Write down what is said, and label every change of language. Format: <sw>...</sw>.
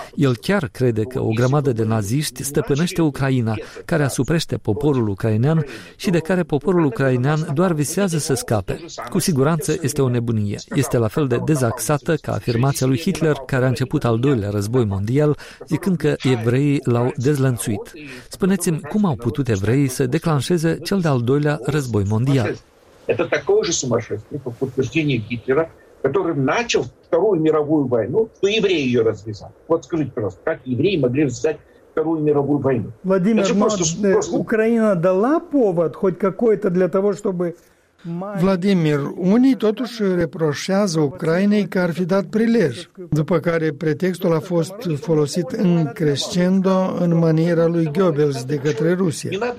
<ro>El chiar crede că o grămadă de naziști stăpânește Ucraina, care asuprește poporul ucrainean și de care poporul ucrainean doar visează să scape. Cu siguranță este o nebunie. Este la fel de dezaxată ca afirmația lui Hitler, care a început al doilea război mondial, zicând că evreii l-au dezlănțuit. Spuneți-mi, cum au putut evreii să declanșeze cel de-al doilea război mondial? Este</ro> <ru>такой же сумасшествий, по подтверждению Гитлера, который начал Вторую мировую войну, то евреи ее развязали. Вот скажите, пожалуйста, как евреи могли развязать Вторую мировую войну? Владимир, Украина дала повод хоть какой-то для того, чтобы...</ru> <ro>Vladimir, unii totuși reproșează Ucrainei că ar fi dat prilej, după care pretextul a fost folosit în crescendo în maniera lui Goebbels de către Rusia.</ro>